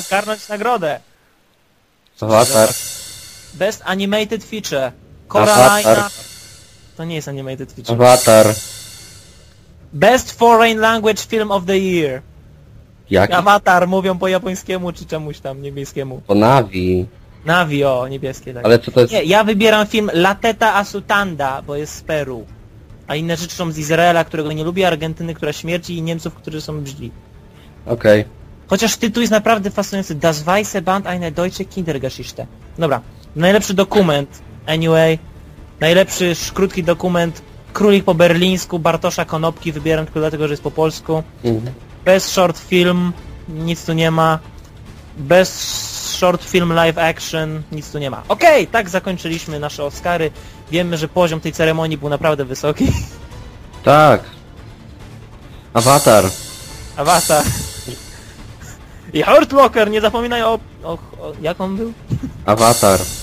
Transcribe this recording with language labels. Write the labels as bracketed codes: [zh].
[pl] Sam może zgarnąć nagrodę. Avatar. [en] Best animated feature. Coraline. [pl] Avatar. To nie jest animated feature. Avatar. [en] Best foreign language film of the year. [pl] Jak? Avatar, mówią po japońskiemu czy czemuś tam niebieskiemu. Po Navi. Navi, o, niebieskie tak. Ale co to jest? Nie, ja wybieram film La Teta Asutanda, bo jest z Peru. A inne rzeczy są z Izraela, którego nie lubi, Argentyny, która śmierdzi i Niemców, którzy są brzli. Okej. Okay. Chociaż tytuł jest naprawdę fascynujący. [de] Das Weiße Band eine deutsche Kindergeschichte. [pl] Dobra. Najlepszy dokument. Anyway. Najlepszy krótki dokument. Królik po berlińsku. Bartosza Konopki. Wybieram tylko dlatego, że jest po polsku. Mhm. Best short film. Nic tu nie ma. [en] Best short film live action. [pl] Nic tu nie ma. Okej! Okay, tak zakończyliśmy nasze Oscary. Wiemy, że poziom tej ceremonii był naprawdę wysoki. Tak. Avatar. Avatar. I Hurt Locker, nie zapominaj o... jak on był? Avatar.